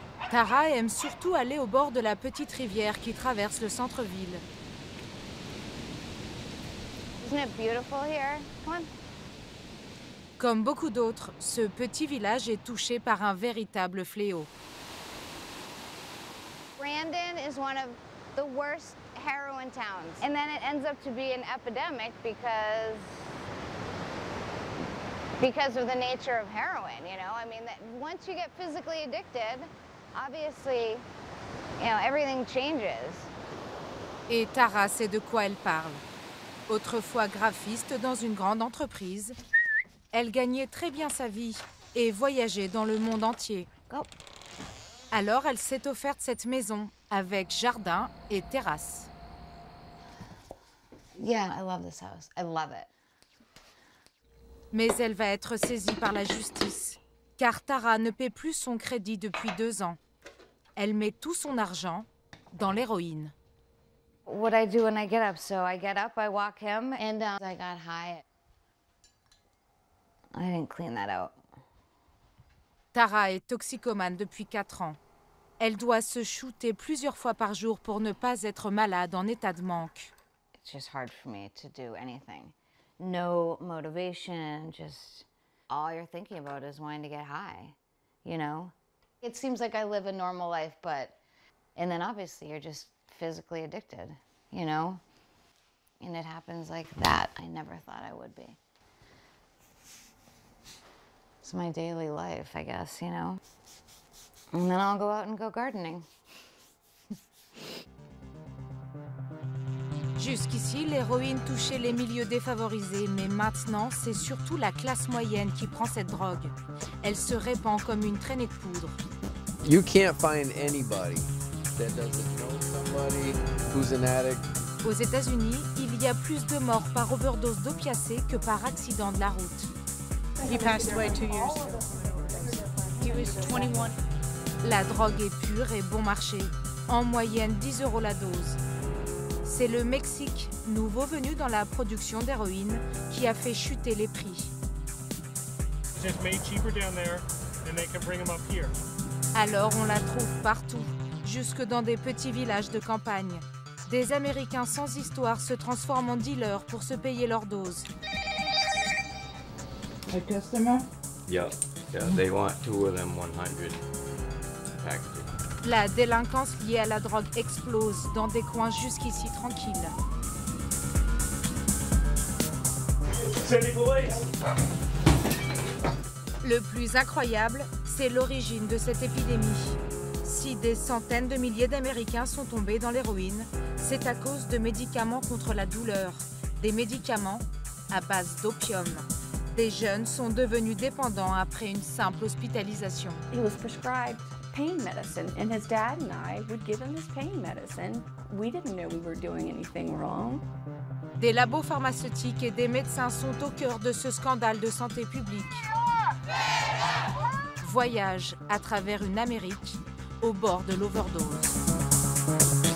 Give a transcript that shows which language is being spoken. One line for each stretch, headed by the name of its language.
French: Tara aime surtout aller au bord de la petite rivière qui traverse le centre-ville.
English: Isn't it beautiful here? Come on.
French: Comme beaucoup d'autres, ce petit village est touché par un véritable fléau.
English: Brandon is one of the worst heroin towns. And then it ends up to be an epidemic because of the nature of heroin, you know? I mean, that once you get physically addicted, obviously, you know, everything changes.
French: Et Tara sait de quoi elle parle. Autrefois graphiste dans une grande entreprise, elle gagnait très bien sa vie et voyageait dans le monde entier.
English: Go.
French: Alors, elle s'est offerte cette maison avec jardin et terrasse.
English: Yeah, I love this house. I love it.
French: Mais elle va être saisie par la justice, car Tara ne paie plus son crédit depuis 2 ans. Elle met tout son argent dans l'héroïne.
English: What I do when I get up? So I get up, I walk him, and I got high. I didn't clean that out.
French: Tara est toxicomane depuis 4 ans. Elle doit se shooter plusieurs fois par jour pour ne pas être malade en état de manque.
English: It's just hard for me to do anything. No motivation, just all you're thinking about is wanting to get high, you know? It seems like I live a normal life, but and then obviously you're just physically addicted, you know? And it happens like that. I never thought I would be. It's my daily life, I guess, you know. And then I'll go out and go gardening.
French: Jusqu'ici, l'héroïne touchait les milieux défavorisés, mais maintenant, c'est surtout la classe moyenne qui prend cette drogue. Elle se répand comme une traînée de poudre.
English: You can't find anybody that doesn't know somebody who's an addict.
French: Aux États-Unis, il y a plus de morts par overdose d'opiacés que par accident de la route.
English: He passed away 2 years ago. He was 21.
French: La drogue est pure et bon marché. En moyenne, 10 euros la dose. C'est le Mexique, nouveau venu dans la production d'héroïne, qui a fait chuter les prix.
English: It's made cheaper down there, and they can bring them up here.
French: Alors, on la trouve partout, jusque dans des petits villages de campagne. Des Américains sans histoire se transforment en dealers pour se payer leur dose.
English: A customer? Yeah, they want 2 of them 100 packages.
French: La délinquance liée à la drogue explose dans des coins jusqu'ici tranquilles. Le plus incroyable, c'est l'origine de cette épidémie. Si des centaines de milliers d'Américains sont tombés dans l'héroïne, c'est à cause de médicaments contre la douleur, des médicaments à base d'opium. Des jeunes sont devenus dépendants après une simple hospitalisation.
English: He was prescribed pain medicine, and his dad and I would give him his pain medicine. We didn't know we were doing anything wrong.
French: Des labos pharmaceutiques et des médecins sont au cœur de ce scandale de santé publique. Voyage à travers une Amérique au bord de l'overdose.